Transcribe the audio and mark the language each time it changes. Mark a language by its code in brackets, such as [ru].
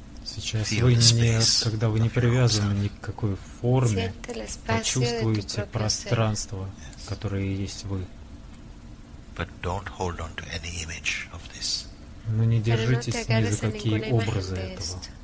[ru] Сейчас вы не, когда вы не привязаны ни к какой форме, почувствуете пространство, которое есть вы. [en] But don't hold on to any image of this. [ru] Но не держитесь ни за какие образы этого.